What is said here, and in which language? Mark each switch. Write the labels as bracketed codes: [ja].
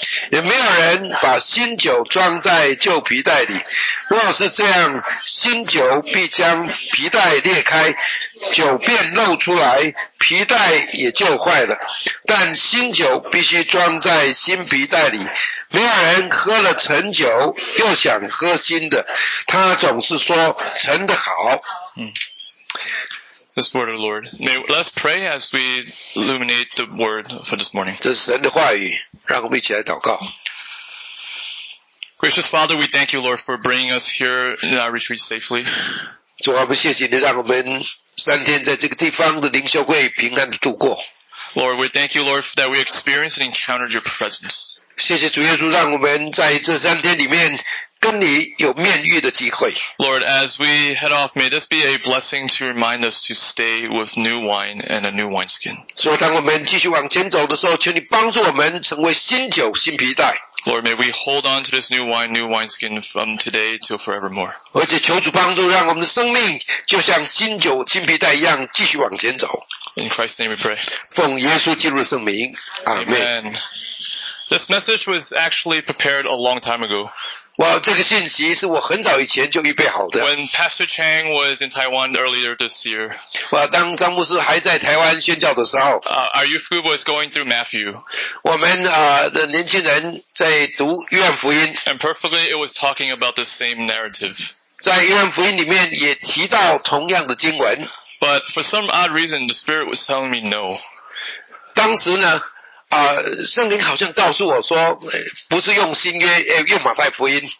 [zh] 也没有人把新酒装在旧皮袋里，若是这样，新酒必将皮袋裂开，酒便漏出来，皮袋也就坏了。但新酒必须装在新皮袋里，没有人喝了陈酒又想喝新的，他总是说陈的好。 [en] This word of the Lord. Let's pray as we illuminate the word for this morning. [zh] 这是神的话语，让我们一起来祷告。 [en] Gracious Father, we thank you, Lord, for bringing us here in our retreat safely. [zh] 主啊，我们谢谢你，让我们三天在这个地方的灵修会平安的度过。 [en] Lord, we thank you, Lord, that we experienced and encountered your presence. [zh] 谢谢主耶稣，让我们在这三天里面跟你有面遇的机会。 [en] Lord, as we head off, may this be a blessing to remind us to stay with new wine and a new wineskin. [zh] 所以当我们继续往前走的时候，求你帮助我们成为新酒新皮带。 [en] Lord, may we hold on to this new wine, new wineskin from today till forevermore. [zh] 而且求主帮助，让我们的生命就像新酒新皮带一样继续往前走。 [en] In Christ's name we pray. [zh] 奉耶稣基督的圣名， [en] Amen. This message was actually prepared a long time ago. [zh] Well, 这个信息是我很早以前就预备好的。 [en] When Pastor Chang was in Taiwan earlier this year. [zh] Well, 当张牧师还在台湾宣教的时候, [en] our youth group was going through Matthew. [zh] 我们, 的年轻人在读约翰福音, [en] and perfectly it was talking about the same narrative. [zh] 在约翰福音里面也提到同样的经文。 [en] But for some odd reason, the Spirit was telling me no. [zh] 当时呢, 圣灵好像告诉我说, 不是用新约, 用马太福音。